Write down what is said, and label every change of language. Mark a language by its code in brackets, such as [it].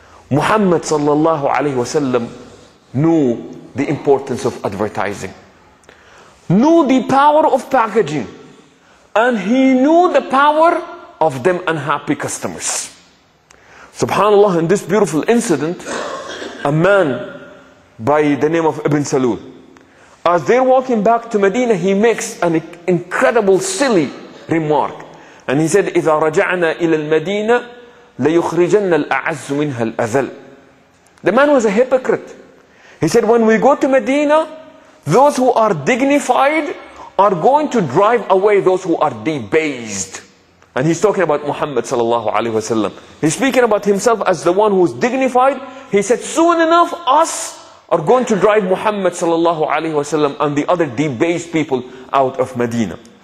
[en] Muhammad sallallahu alayhi wa sallam knew the importance of advertising, knew the power of packaging, and he knew the power of them unhappy customers. Subhanallah, in this beautiful incident, a man by the name of Ibn Salul, as they're walking back to Medina, he makes an incredible silly remark. And he said, [ar] إِذَا رَجَعْنَا إِلَى الْمَدِينَةِ لَيُخْرِجَنَّ الْأَعَزُّ مِنْهَا الْأَذَلُ. [en] The man was a hypocrite. He said, when we go to Medina, those who are dignified are going to drive away those who are debased. And he's talking about Muhammad sallallahu alaihi wasallam. He's speaking about himself as the one who's dignified. He said, soon enough, us are going to drive Muhammad sallallahu alaihi wasallam and the other debased people out of Medina.